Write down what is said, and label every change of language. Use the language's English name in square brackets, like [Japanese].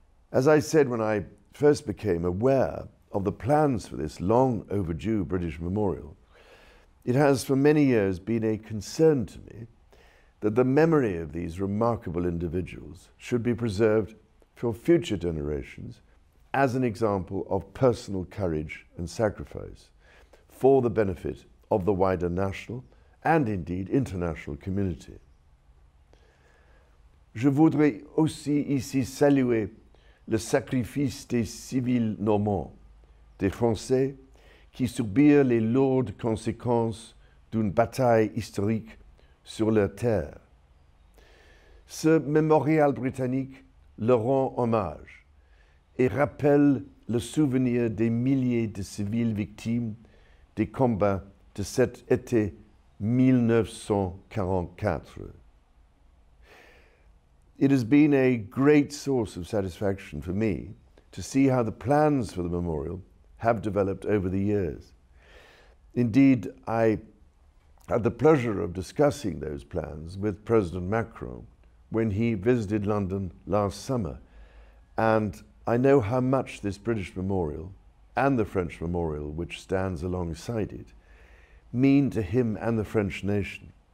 [English] As I said when I first became aware of the plans for this long overdue British memorial, it has for many years been a concern to me that the memory of these remarkable individuals should be preserved for future generations as an example of personal courage and sacrifice for the benefit of the wider national and indeed international community. [French] Je voudrais aussi ici saluer le sacrifice des civils normands, des Français, qui subirent les lourdes conséquences d'une bataille historique sur leur terre. Ce mémorial britannique leur rend hommage et rappelle le souvenir des milliers de civils victimes des combats de cet été 1944. [English] It has been a great source of satisfaction for me to see how the plans for the memorial have developed over the years. Indeed, I had the pleasure of discussing those plans with President Macron when he visited London last summer, and I know how much this British memorial and the French memorial, which stands alongside it, mean to him and the French nation.